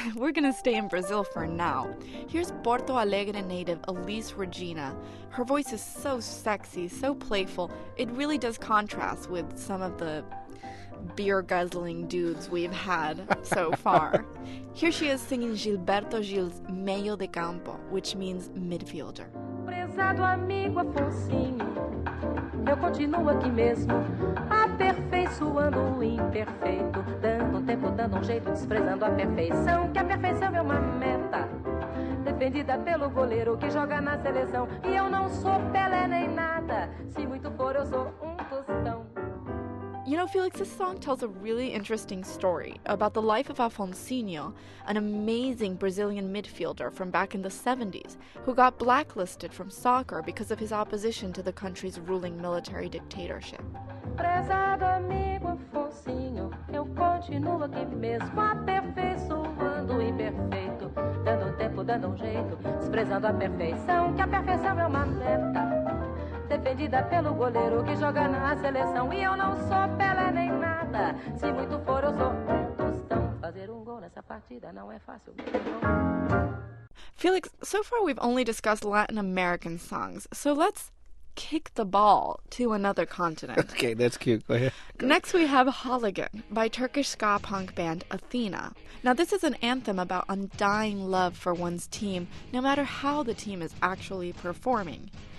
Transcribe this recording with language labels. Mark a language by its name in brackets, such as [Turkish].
[English] We're going to stay in Brazil for now. Here's Porto Alegre native Elis Regina. Her voice is so sexy, so playful. It really does contrast with some of the beer-guzzling dudes we've had so far. Here she is singing Gilberto Gil's Meio de Campo, which means midfielder. [Portuguese] Prezado amigo Afonsinho, eu continuo aqui mesmo, aperfeiçoando o imperfeito, dando tempo, dando jeito, desprezando a perfeição, que a perfeição é uma meta, defendida pelo goleiro que joga na seleção, e eu não sou Pelé nem nada, se muito for eu sou tostão. [English] You know, Felix, this song tells a really interesting story about the life of Afonsinho, an amazing Brazilian midfielder from back in the 70s, who got blacklisted from soccer because of his opposition to the country's ruling military dictatorship. [Portuguese] Prezado amigo Afonsinho, eu continuo aqui mesmo, aperfeiçoando o imperfeito, dando tempo, dando jeito, desprezando a perfeição, que a perfeição é uma meta. Defendida pelo goleiro que joga na seleção. E eu não sou Pelé nem nada. Se muito for, eu sou tostão. Fazer gol nessa partida não é fácil. [English] Felix, so far we've only discussed Latin American songs, so let's kick the ball to another continent. Okay, that's cute. Go ahead. Next we have Hooligan by Turkish ska punk band Athena. Now this is an anthem about undying love for one's team, no matter how the team is actually performing.